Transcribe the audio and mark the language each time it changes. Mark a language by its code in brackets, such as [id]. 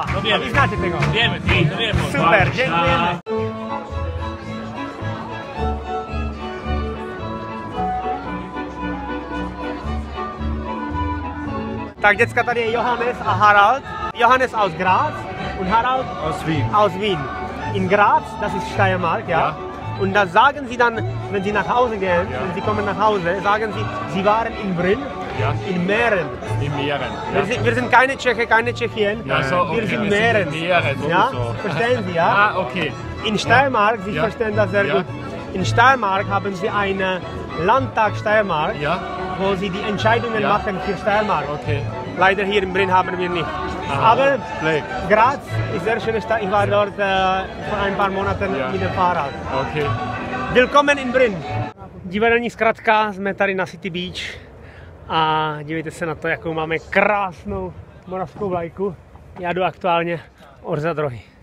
[cs] A vy znáte toho? Super, děkujeme. Tak děcka, tady je Johannes a Harald. [de] Johannes aus Graz. Und Harald? Aus Wien. In Graz, das ist Steiermark, ja? Und da sagen Sie dann, wenn Sie nach Hause gehen, wenn Sie kommen nach Hause, sagen Sie, Sie waren in Brünn? Ja. In Mähren? In Mähren, ja. Wir sind keine Tscheche, keine Tschechien. Ja, so, okay. Wir sind Mähren. Wir sind Mähren, ja? Verstehen Sie, ja? Ah, okay. In Steiermark, Sie verstehen das sehr gut. In Steiermark haben Sie einen Landtag Steiermark, wo Sie die Entscheidungen machen für Steiermark. Okay. Leider hier in Brünn haben wir nicht. Aber Graz ist sehr schöne Stadt. Ich war dort vor ein paar Monaten mit dem Fahrrad. Okay. Willkommen in Brünn. [cs] Divadelní zkratka, jsme tady na City Beach a dívejte se na to, jakou máme krásnou moravskou vlajku. Já jdu aktuálně orzat rohy.